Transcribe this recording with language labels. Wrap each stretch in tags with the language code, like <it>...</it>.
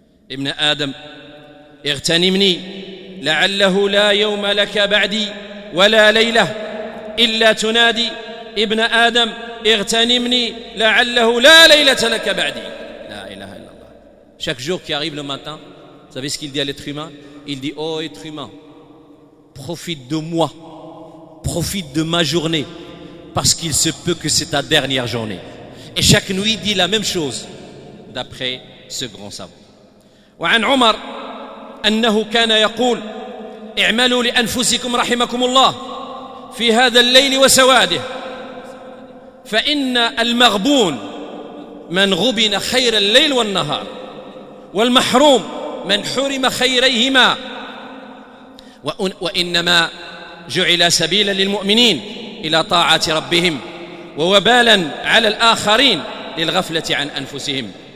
<ar>ابن آدم اغتنمني لعله لا يوم لك بعدي ولا ليلة إلا تنادي. ابن آدم اغتنمني لعله لا ليلة لك بعدي. لا إله إلا الله.</ar> <fr>Chaque jour qui arrive le matin, vous savez ce qu'il dit à l'être humain? Il dit: oh être humain, profite de moi, profite de ma journée, parce qu'il se peut que c'est ta dernière journée. Et chaque nuit dit la même chose d'après ce grand savant.</fr> <ar>وعن عمر أنه كان يقول: اعملوا لأنفسكم رحمكم الله في هذا الليل وسواده، فإن المغبون من غبن خير الليل والنهار، والمحروم من حرم خيريهما، وإنما جعل سبيلا للمؤمنين إلى طاعة ربهم ووبالا على الآخرين للغفلة عن أنفسهم.</ar>